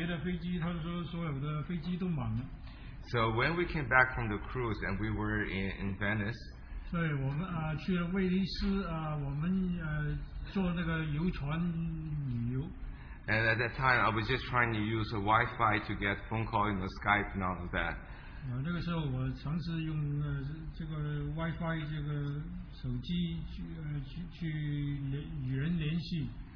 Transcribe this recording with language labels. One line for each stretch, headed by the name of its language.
Chinese: 所以我一直在尝试,一直找不到别的飞机,他说所有的飞机都满了。
English: So when we came back from the cruise and we were in Venice,
Chinese: 对,我们去了威尼斯,我们坐那个游船旅游。
English: And at that time, I was just trying to use a Wi-Fi to get phone call in the Skype and all of that.
Chinese: 那个时候我尝试用这个 Wi-Fi 这个手机去与人联系。